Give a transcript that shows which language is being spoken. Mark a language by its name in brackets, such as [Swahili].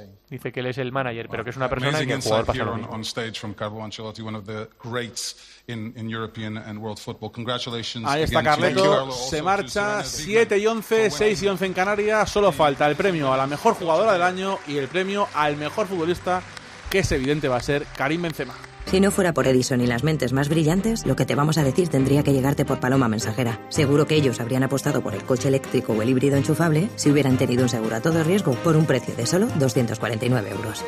[Spanish] Dice que él es el manager, pero que es una persona y que el jugador pasa lo mismo. [English] On stage from Carlo Ancelotti, one of the greats in European and world football. Congratulations. [Spanish] Ahí está Carleto. Se marcha 7 y 11, 6 y 11 en Canarias. Solo falta el premio a la mejor jugadora del año y el premio al mejor futbolista, que es evidente va a ser Karim Benzema. Si no fuera por Edison y las mentes más brillantes, lo que te vamos a decir tendría que llegarte por Paloma Mensajera. Seguro que ellos habrían apostado por el coche eléctrico o el híbrido enchufable si hubieran tenido un seguro a todo riesgo por un precio de solo 249 euros.